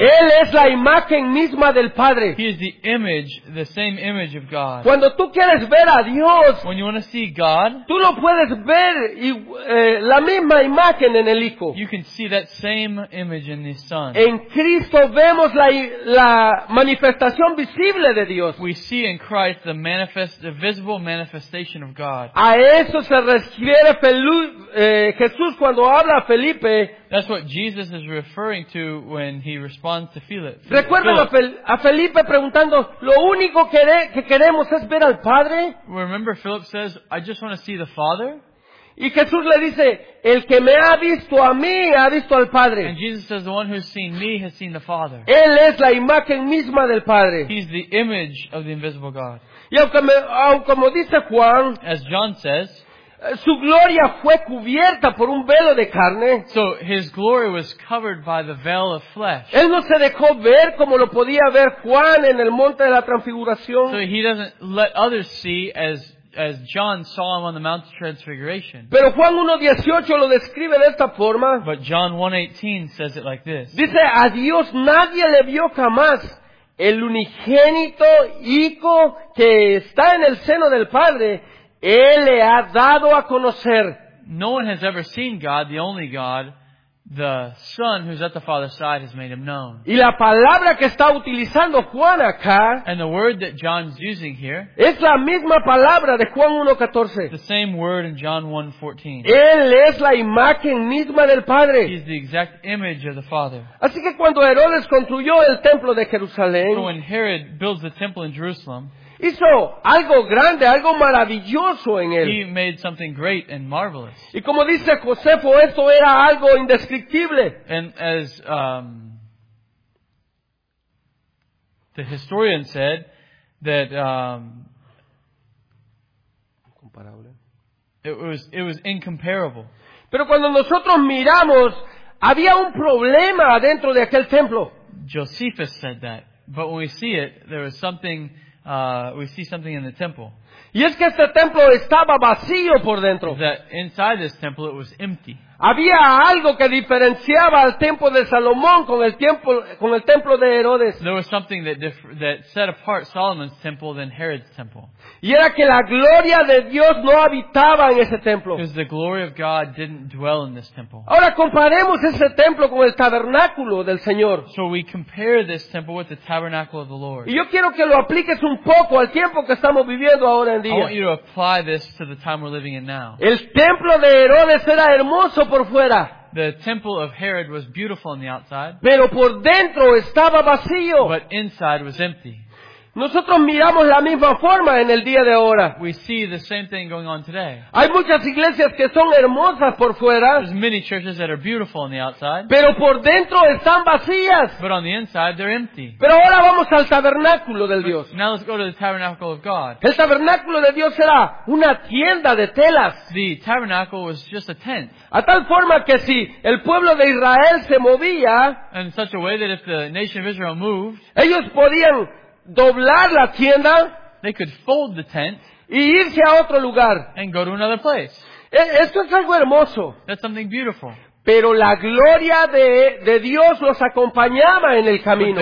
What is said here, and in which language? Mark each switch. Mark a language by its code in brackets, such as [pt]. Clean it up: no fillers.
[es] Él es la imagen misma del Padre. [en] He is the image, the same image of God. [es] Cuando tú quieres ver a Dios, [en] when you want to see God, [es] tú no puedes ver y la misma imagen en el Hijo. [en] You can see that same image in the Son. [es] En Cristo vemos la manifestación visible de Dios. [en] We see in Christ the visible manifestation of God. [es] A eso se refiere Jesús cuando habla a Felipe. [en] That's what Jesus is referring to when he responds to Philip. [es] Recuerden a Felipe preguntando, lo único que queremos es ver al Padre. [en] Remember Philip says, I just want to see the Father. [es] Y Jesús le dice, el que me ha visto a mí, ha visto al Padre. [en] And Jesus says, the one who's seen me has seen the Father. [es] Él es la imagen misma del Padre. [en] He's the image of the invisible God. [es] Y como dice Juan, [en] as John says, [es] su gloria fue cubierta por un velo de carne. [en] So his glory was covered by the veil of flesh. [es] Él no se dejó ver como lo podía ver Juan en el monte de la transfiguración. [en] So he doesn't let others see as John saw him on the Mount of Transfiguration. [es] Pero Juan 1:18 lo describe de esta forma. [en] But John 1:18 says it like this. [es] Dice, a Dios nadie le vio jamás. El unigénito Hijo que está en el seno del Padre, Él le ha dado a conocer. [en] No one has ever seen God, the only God. The Son who's at the Father's side has made Him known. [es] Y la palabra que está utilizando Juan acá, [en] and the word that John's using here, [es] es la misma palabra de Juan 1:14. [en] The same word in John 1:14. [es] Él es la imagen misma del Padre. [en] He's the exact image of the Father. [es] Así que cuando Herodes construyó el templo de Jerusalén, [en] so when Herod builds the temple in Jerusalem, [es] hizo algo grande, algo maravilloso en él. [en] He made something great and marvelous. [es] Y como dice Josefo, eso era algo indescriptible. [en] And as the historian said, that [es] comparable. [en] It was incomparable. [es] Pero cuando nosotros miramos, había un problema dentro de aquel templo. [en] Josephus said that, but when we see it, there was something. We see something in the temple. [es] Y es que este templo estaba vacío por dentro. [en] That inside this temple it was empty. [es] Había algo que diferenciaba al templo de Salomón con el templo de Herodes. [en] There was something that set apart Solomon's temple than Herod's temple. [es] Y era que la gloria de Dios no habitaba en ese templo. [en] Because the glory of God didn't dwell in this temple. [es] Ahora comparemos ese templo con el tabernáculo del Señor. [en] So we compare this temple with the tabernacle of the Lord. [es] Y yo quiero que lo apliques un poco al tiempo que estamos viviendo ahora. [en] I want you to apply this to the time we're living in now. [es] El templo de Herodes era hermoso por fuera. [en] The temple of Herod was beautiful on the outside. [es] Pero por dentro estaba vacío. [en] But inside was empty. [es] Nosotros miramos la misma forma en el día de ahora. [en] We see the same thing going on today. [es] Hay muchas iglesias que son hermosas por fuera. [en] There's many churches that are beautiful on the outside. [es] Pero por dentro están vacías. [en] But on the inside they're empty. [es] Pero ahora vamos al tabernáculo del Dios. [en] But now let's go to the tabernacle of God. [es] El tabernáculo de Dios era una tienda de telas. [en] The tabernacle was just a tent. [es] A tal forma que si el pueblo de Israel se movía, [en] in such a way that if the nation of Israel moved, [es] ellos podían doblar la tienda, [en] they could fold the tent, [es] y irse a otro lugar, [en] and go to another place. [es] Esto es algo hermoso. [en] That's something beautiful. [es] Pero la gloria de Dios los acompañaba en el camino.